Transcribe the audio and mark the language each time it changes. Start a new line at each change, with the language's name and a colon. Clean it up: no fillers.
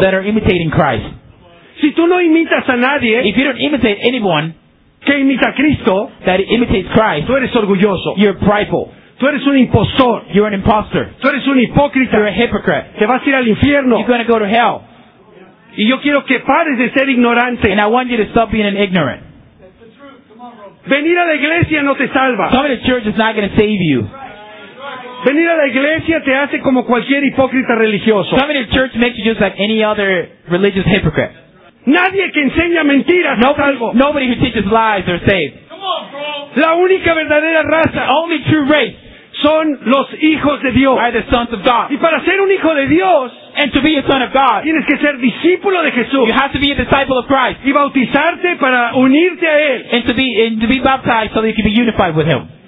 English: That are imitating Christ.
Spanish: Si tú no imitas a nadie,
English: if you don't imitate anyone,
Spanish: que imita a Cristo,
English: that imitates Christ,
Spanish: tú eres orgulloso,
English: you're prideful,
Spanish: tú eres un impostor,
English: you're an imposter,
Spanish: tú eres un hipócrita,
English: you're a hypocrite,
Spanish: te vas a ir al infierno,
English: you're going to go to hell.
Spanish: Y yo quiero que pares de ser ignorante,
English: and I want you to stop being an ignorant.
Spanish: Venir a la iglesia no te salva.
English: Coming to church is not going to save you.
Spanish: Venir a la iglesia te hace como cualquier hipócrita religioso.
English: Coming to church makes you just like any other religious hypocrite.
Spanish: Nadie que enseña mentiras es salvo.
English: Nobody who teaches lies are saved. Come on, bro.
Spanish: La única verdadera raza,
English: the only true race,
Spanish: son los hijos de Dios.
English: Are the sons of God.
Spanish: Y para ser un hijo de Dios,
English: and to be a son of God,
Spanish: tienes que ser discípulo de Jesús.
English: You have to be a disciple of Christ.
Spanish: Y bautizarte para unirte a él.
English: And to be baptized so that you can be unified with him.